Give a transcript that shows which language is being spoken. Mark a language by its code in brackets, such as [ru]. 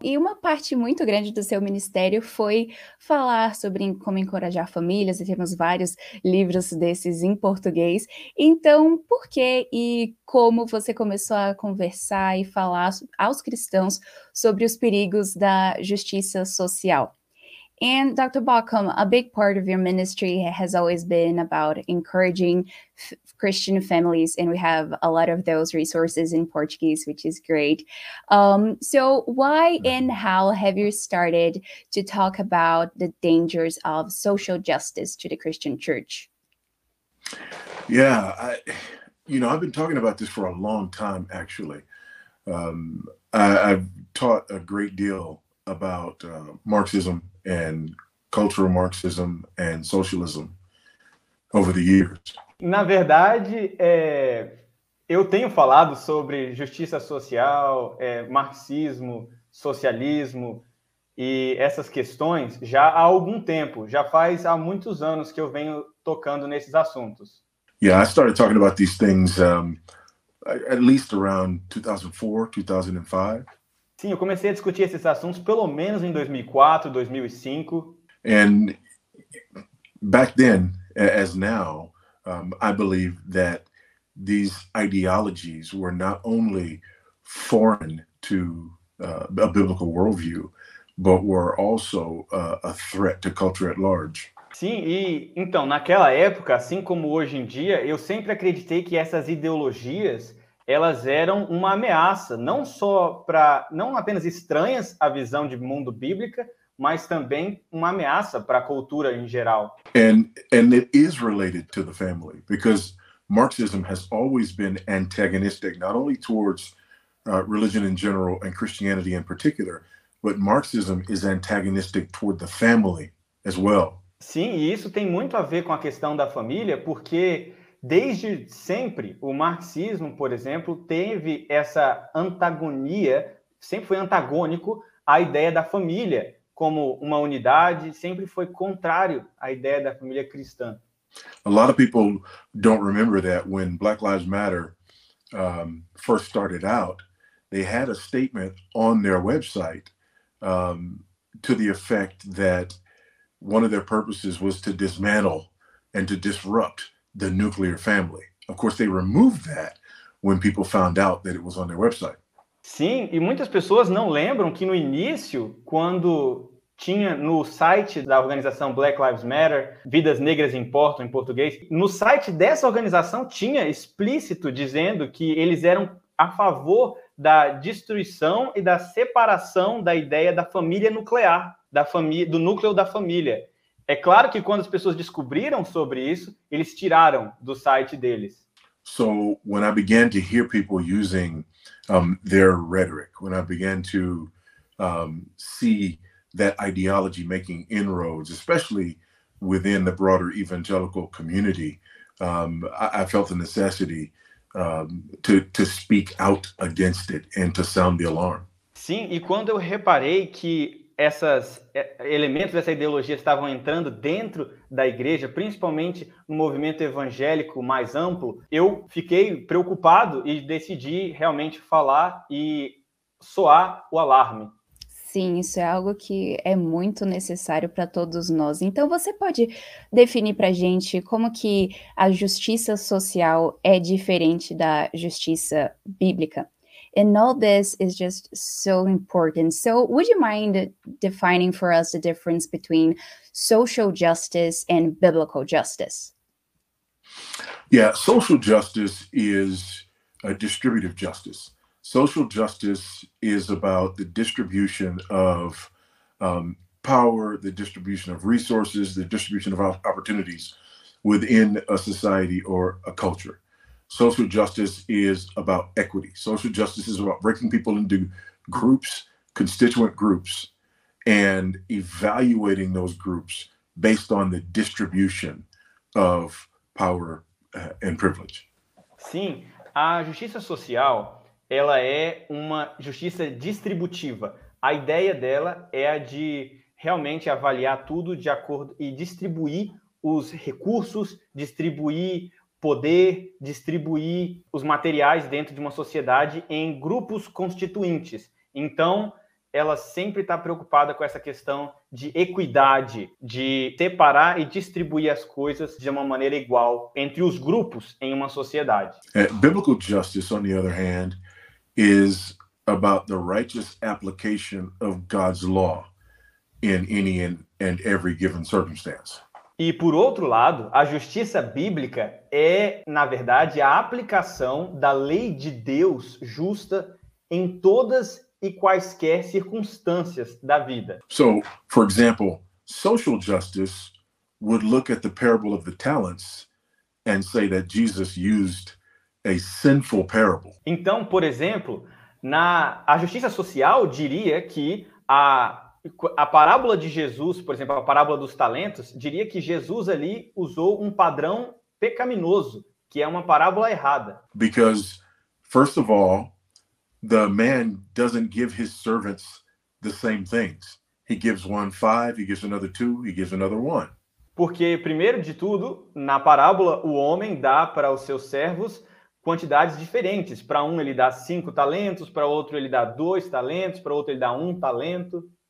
[pt] E uma parte muito grande do seu ministério foi falar sobre como encorajar famílias, e temos vários livros desses em português. Então, por que e como você começou a conversar e falar aos cristãos sobre os perigos da justiça social? [en] And Dr. Bockham, a big part of your ministry has always been about encouraging Christian families, and we have a lot of those resources in Portuguese, which is great. So why and how have you started to talk about the dangers of social justice to the Christian church? Yeah, I've been talking about this for a long time, actually. I've taught a great deal about Marxism and cultural Marxism and socialism over the years. [pt] Na verdade, eu tenho falado sobre justiça social, marxismo, socialismo e essas questões já há algum tempo. Já faz há muitos anos que eu venho tocando nesses assuntos. [en] Yeah, I started talking about these things at least around 2004, 2005. [pt] Sim, eu comecei a discutir esses assuntos pelo menos em 2004, 2005. [en] And back then, as now, I believe that these ideologies were not only foreign to a biblical worldview, but were also a threat to culture at large. [pt] Sim, e então, naquela época, assim como hoje em dia, eu sempre acreditei que essas ideologias, elas eram uma ameaça, não só para, não apenas estranhas à visão de mundo bíblica, mas também uma ameaça para a cultura em geral. [en] And it is related to the family, because Marxism has always been antagonistic, not only towards religion in general and Christianity in particular, but Marxism is antagonistic toward the family as well. [pt] Sim, e isso tem muito a ver com a questão da família, porque desde sempre o marxismo, por exemplo, teve essa antagonia, sempre foi antagônico à ideia da família como uma unidade, sempre foi contrário à ideia da família cristã. [en] A lot of people don't remember that when Black Lives Matter first started out, they had a statement on their website to the effect that one of their purposes was to dismantle and to disrupt the nuclear family. Of course, they removed that when people found out that it was on their website. [pt] Sim, e muitas pessoas não lembram que no início, quando tinha no site da organização Black Lives Matter, Vidas Negras Importam, em português, no site dessa organização tinha explícito dizendo que eles eram a favor da destruição e da separação da ideia da família nuclear, da do núcleo da família. É claro que quando as pessoas descobriram sobre isso, eles tiraram do site deles. [en] So when I began to hear people using their rhetoric, when I began to see that ideology making inroads, especially within the broader evangelical community, I felt the necessity to speak out against it and to sound the alarm. [pt] Sim, e quando eu reparei que esses elementos dessa ideologia estavam entrando dentro da igreja, principalmente no movimento evangélico mais amplo, eu fiquei preocupado e decidi realmente falar e soar o alarme. Sim, isso é algo que é muito necessário para todos nós. Então, você pode definir para a gente como que a justiça social é diferente da justiça bíblica? [en] And all this is just so important. So, would you mind defining for us the difference between social justice and biblical justice? Yeah, social justice is a distributive justice. Social justice is about the distribution of power, the distribution of resources, the distribution of opportunities within a society or a culture. Social justice is about equity. Social justice is about breaking people into groups, constituent groups, and evaluating those groups based on the distribution of power and privilege. [pt] Sim, a justiça social, ela é uma justiça distributiva. A ideia dela é a de realmente avaliar tudo de acordo e distribuir os recursos, distribuir poder, distribuir os materiais dentro de uma sociedade em grupos constituintes. Então, ela sempre está preocupada com essa questão de equidade, de separar e distribuir as coisas de uma maneira igual entre os grupos em uma sociedade. [en] Biblical justice, on the other hand, is about the righteous application of God's law in any and every given circumstance. [pt] E por outro lado, a justiça bíblica é, na verdade, a aplicação da lei de Deus justa em todas e quaisquer circunstâncias da vida. [en] So, for example, social justice would look at the parable of the talents and say that Jesus used a sinful parable. [pt] Então, por exemplo, a justiça social diria que a parábola de Jesus, por exemplo, a parábola dos talentos, diria que Jesus ali usou um padrão pecaminoso, que é uma parábola errada. [en] Because, first of all, the man doesn't give his servants the same things. He gives one five, he gives another two, he gives another one. [pt] Porque, primeiro de tudo, na parábola, o homem dá para os seus servos quantidades diferentes. Para um ele dá 5 talentos, para outro ele dá 2 talentos, para outro ele dá 1 talento.